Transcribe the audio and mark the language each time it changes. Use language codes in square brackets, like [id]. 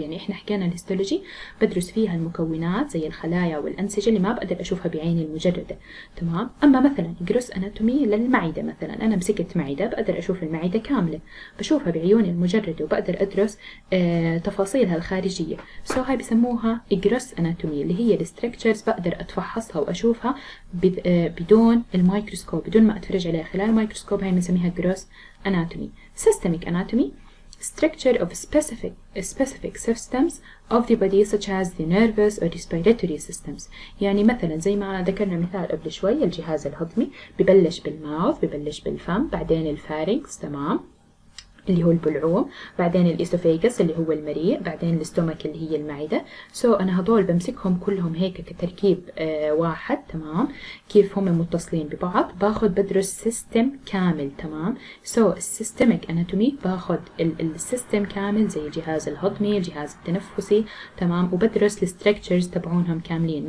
[ar] يعني احنا حكينا الهيستولوجي بدرس فيها المكونات زي الخلايا والانسجه اللي ما بقدر اشوفها بعيني المجرده، تمام؟ اما مثلا الجروس اناتومي للمعده، مثلا انا مسكت معده بقدر اشوف المعده كامله، بشوفها بعيوني المجرده وبقدر ادرس تفاصيلها الخارجيه. سو هاي بسموها جروس اناتومي، اللي هي الستركتشرز بقدر اتفحصها واشوفها بدون المايكروسكوب، بدون ما اتفرج عليها خلال المايكروسكوب، هاي بنسميها جروس اناتومي. [en] Systemic anatomy structure of specific systems of the body such as the nervous or respiratory systems. [ar] يعني مثلا زي ما ذكرنا مثال قبل شوي، الجهاز الهضمي ببلش بالماوث، ببلش بالفم، بعدين الفارينكس، تمام؟ اللي هو البلعوم، بعدين الإسوفيجس اللي هو المريء، بعدين الاستومك اللي هي المعدة. سو أنا هدول بمسكهم كلهم هيك كتركيب واحد، تمام؟ كيف هم متصلين ببعض، باخد بدرس سيستم كامل، تمام؟ سو السيستميك أناتومي باخد السيستم كامل زي الجهاز الهضمي، الجهاز التنفسي، تمام؟ وبدرس الستركتشرز تبعونهم كاملين.